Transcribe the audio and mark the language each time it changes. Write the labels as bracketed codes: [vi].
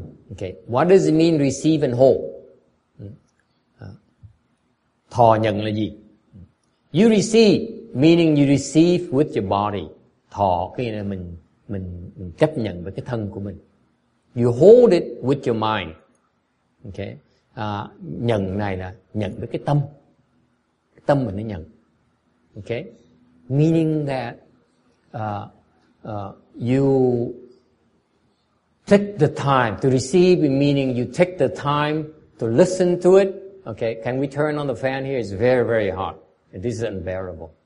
[en] Okay, what does it mean receive and hold? [vi] Thọ nhận là gì? [en] You receive meaning you receive with your body. [vi] Thọ cái này mình chấp nhận với cái thân của mình. [en] You hold it with your mind. Okay. [vi] Nhận này là nhận với cái tâm. Cái tâm mình nó nhận. Okay. [en] Meaning that you take the time to receive, meaning you take the time to listen to it. Okay. Can we turn on the fan here? It's very, very hot. This is unbearable.